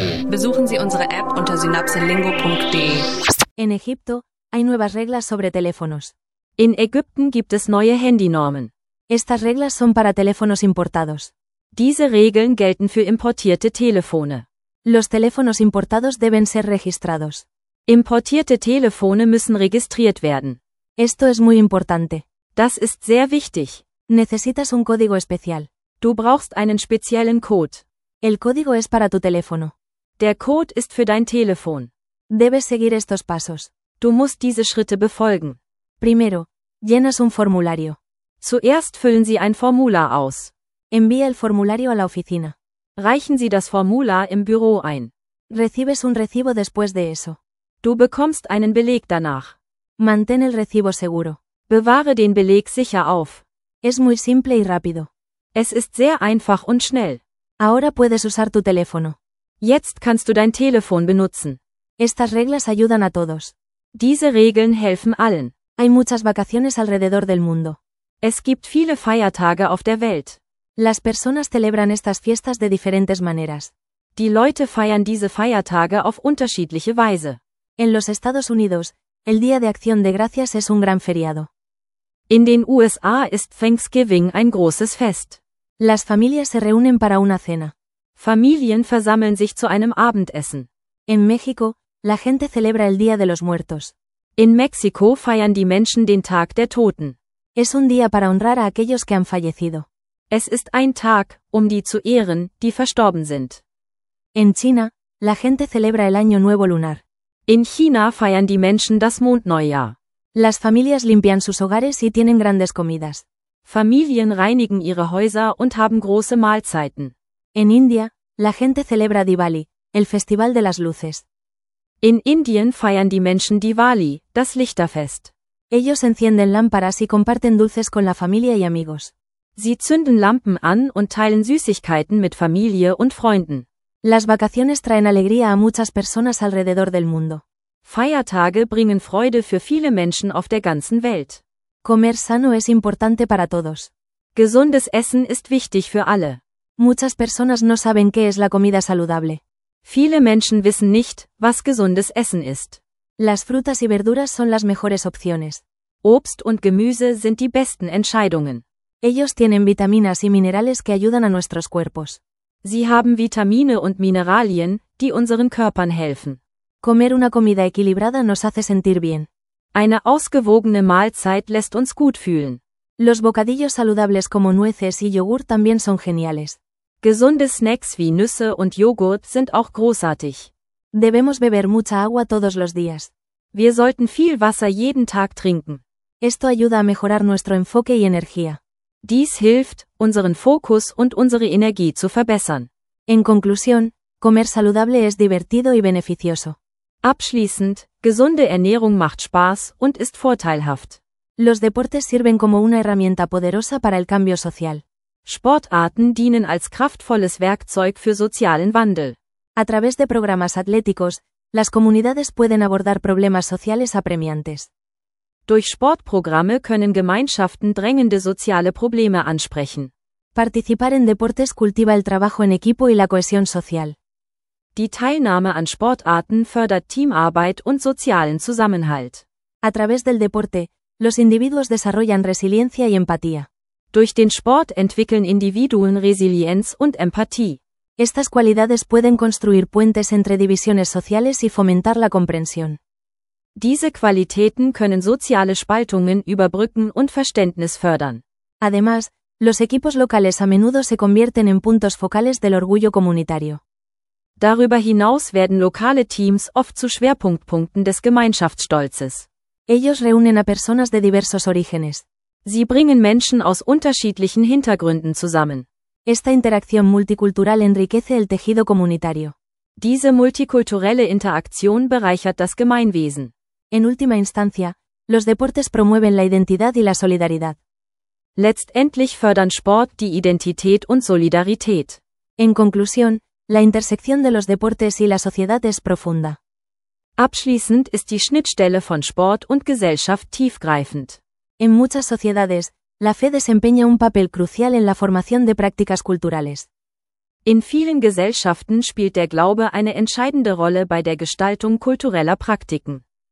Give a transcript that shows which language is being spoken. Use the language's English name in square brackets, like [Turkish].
[German] Besuchen Sie unsere App unter synapselingo.de. [Spanish] En Egipto hay nuevas reglas sobre teléfonos. [German] In Ägypten gibt es neue Handynormen. [Spanish] Estas reglas son para teléfonos importados. [German] Diese Regeln gelten für importierte Telefone. [Spanish] Los teléfonos importados deben ser registrados. [German] Importierte Telefone müssen registriert werden. [Spanish] Esto es muy importante. [German] Das ist sehr wichtig. [Spanish] Necesitas un código especial. [German] Du brauchst einen speziellen Code. [Spanish] El código es para tu teléfono. [German] Der Code ist für dein Telefon. [Spanish] Debes seguir estos pasos. [German] Du musst diese Schritte befolgen. [Spanish] Primero, llenas un formulario. [German] Zuerst füllen Sie ein Formular aus. [Spanish] Envía el formulario a la oficina. [German] Reichen Sie das Formular im Büro ein. [Spanish] Recibes un recibo después de eso. [German] Du bekommst einen Beleg danach. [Spanish] Mantén el recibo seguro. [German] Bewahre den Beleg sicher auf. [Spanish] Es muy simple y rápido. [German] Es ist sehr einfach und schnell. [Spanish] Ahora puedes usar tu teléfono. [German] Jetzt kannst du dein Telefon benutzen. [Spanish] Estas reglas ayudan a todos. [German] Diese Regeln helfen allen. [Spanish] Hay muchas vacaciones alrededor del mundo. [German] Es gibt viele Feiertage auf der Welt. [Spanish] Las personas celebran estas fiestas de diferentes maneras. [German] Die Leute feiern diese Feiertage auf unterschiedliche Weise. [Spanish] En los Estados Unidos, el Día de Acción de Gracias es un gran feriado. [German] In den USA ist Thanksgiving ein großes Fest. [Spanish] Las familias se reúnen para una cena. [German] Familien versammeln sich zu einem Abendessen. [Spanish] En México, la gente celebra el Día de los Muertos. [German] In Mexiko feiern die Menschen den Tag der Toten. [Spanish] Es un día para honrar a aquellos que han fallecido. [German] Es ist ein Tag, um die zu ehren, die verstorben sind. [Spanish] En China, la gente celebra el Año Nuevo Lunar. [German] In China feiern die Menschen das Mondneujahr. [Spanish] Las familias limpian sus hogares y tienen grandes comidas. [German] Familien reinigen ihre Häuser und haben große Mahlzeiten. [Spanish] En India, la gente celebra Diwali, el Festival de las Luces. [German] In Indien feiern die Menschen Diwali, das Lichterfest. [Spanish] Ellos encienden lámparas y comparten dulces con la familia y amigos. [German] Sie zünden Lampen an und teilen Süßigkeiten mit Familie und Freunden. [Spanish] Las vacaciones traen alegría a muchas personas alrededor del mundo. [German] Feiertage bringen Freude für viele Menschen auf der ganzen Welt. [Spanish] Comer sano es importante para todos. [German] Gesundes Essen ist wichtig für alle. [Spanish] Muchas personas no saben qué es la comida saludable. [German] Viele Menschen wissen nicht, was gesundes Essen ist. [Spanish] Las frutas y verduras son las mejores opciones. [German] Obst und Gemüse sind die besten Entscheidungen. [Spanish] Ellos tienen vitaminas y minerales que ayudan a nuestros cuerpos. [German] Sie haben Vitamine und Mineralien, die unseren Körpern helfen. [Spanish] Comer una comida equilibrada nos hace sentir bien. [German] Eine ausgewogene Mahlzeit lässt uns gut fühlen. [Spanish] Los bocadillos saludables como nueces y yogur también son geniales. [German] Gesunde Snacks wie Nüsse und Joghurt sind auch großartig. [Spanish] Debemos beber mucha agua todos los días. [German] Wir sollten viel Wasser jeden Tag trinken. [Spanish] Esto ayuda a mejorar nuestro enfoque y energía. [German] Dies hilft, unseren Fokus und unsere Energie zu verbessern. [Spanish] En conclusión, comer saludable es divertido y beneficioso. [German] Abschließend, gesunde Ernährung macht Spaß und ist vorteilhaft. [Spanish] Los deportes sirven como una herramienta poderosa para el cambio social. [German] Sportarten dienen als kraftvolles Werkzeug für sozialen Wandel. [Spanish] A través de programas atléticos, las comunidades pueden abordar problemas sociales apremiantes. [German] Durch Sportprogramme können Gemeinschaften drängende soziale Probleme ansprechen. [Spanish] Participar en deportes cultiva el trabajo en equipo y la cohesión social. [German] Die Teilnahme an Sportarten fördert Teamarbeit und sozialen Zusammenhalt. [Spanish] A través del deporte, los individuos desarrollan resiliencia y empatía. [German] Durch den Sport entwickeln Individuen Resilienz und Empathie. [Spanish] Estas cualidades pueden construir puentes entre divisiones sociales y fomentar la comprensión. [German] Diese Qualitäten können soziale Spaltungen überbrücken und Verständnis fördern. [Spanish] Además, los equipos locales a menudo se convierten en puntos focales del orgullo comunitario. [German] Darüber hinaus werden lokale Teams oft zu Schwerpunktpunkten des Gemeinschaftsstolzes. [Spanish] Ellos reúnen a personas de diversos orígenes. [German] Sie bringen Menschen aus unterschiedlichen Hintergründen zusammen. [Spanish] Esta interacción multicultural enriquece el tejido comunitario. [German] Diese multikulturelle Interaktion bereichert das Gemeinwesen. [Spanish] En última instancia, los deportes promueven la identidad y la solidaridad. [German] Letztendlich fördern Sport die Identität und Solidarität. [Spanish] En conclusión, la intersección de los deportes y la sociedad es profunda. [German] Abschließend ist die Schnittstelle von Sport und Gesellschaft tiefgreifend. [Spanish] En muchas sociedades, la fe desempeña un papel crucial en la formación de prácticas culturales. [German] In vielen Gesellschaften spielt der Glaube eine entscheidende Rolle bei der Gestaltung kultureller Praktiken.